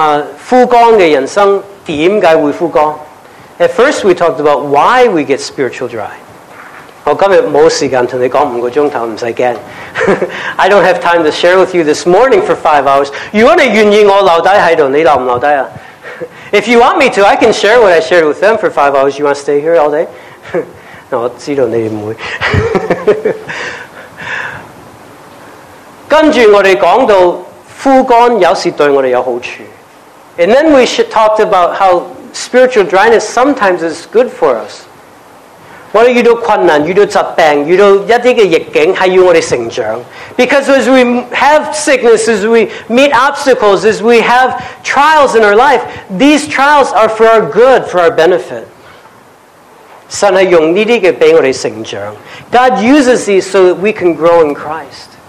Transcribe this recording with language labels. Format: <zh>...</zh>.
<yue>我哋开头讲枯干嘅人生点解会枯干？</yue> <en>At first, we talked about why we get spiritual dry.</en> <yue>我今日冇时间同你讲五个钟头，唔使惊。</yue> <en>I don't have time to share with you this morning for 5 hours.</en> <yue>如果你愿意我留低喺度，你留唔留低啊？</yue> <en>If you want me to, I can share what I shared with them for 5 hours. You want to stay here all day?</en> <yue>我知道你唔会。跟住我哋讲到枯干有时对我哋有好处。</yue> <en>And then we talked about how spiritual dryness sometimes is good for us.</en> <yue>我哋遇到困难，遇到疾病，遇到一啲嘅逆境，系要我哋成长。</yue> <en>Because as we have sickness, as we meet obstacles, as we have trials in our life, these trials are for our good, for our benefit.</en> <yue>神系用呢啲嘅俾我哋成长。</yue> <en>God uses these so that we can grow in Christ.</en>